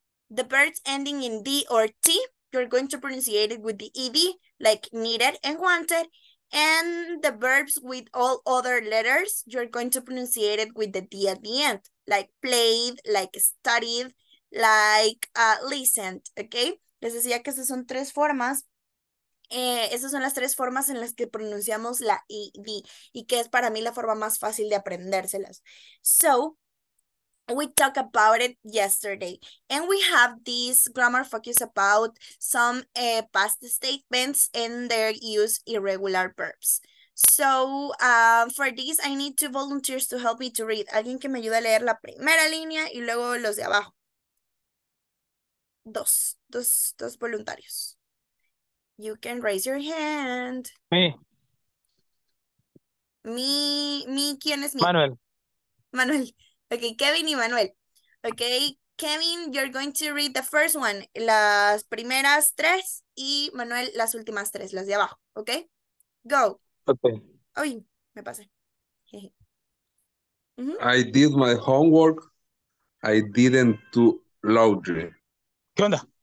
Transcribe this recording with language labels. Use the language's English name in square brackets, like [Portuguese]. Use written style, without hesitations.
[English] The birds ending in D or T, you're going to pronunciate it with the ED, like needed and wanted. And the verbs with all other letters, you're going to pronunciate it with the D at the end, like played, like studied, [Spanish] like listened, okay? Les decía que esas son tres formas. Esas son las tres formas en las que pronunciamos la ED y que es para mí la forma más fácil de aprendérselas. [English] So, we talked about it yesterday. And we have this grammar focus about some past statements and their use irregular verbs. So, for this, I need two volunteers to help me to read. [Spanish] Alguien que me ayude a leer la primera línea y luego los de abajo. [English] Dos voluntarios. You can raise your hand. Me, [Spanish] ¿quién es mi? Manuel. Okay, Kevin y Manuel. [English] Okay, Kevin, you're going to read the first one. [Spanish] Las primeras tres y Manuel las últimas tres, las de abajo. [English] Okay, go. Okay. [Spanish] Uy, me pasé. [English] Mm-hmm. I did my homework. I didn't do laundry. [Spanish] ¿Qué onda?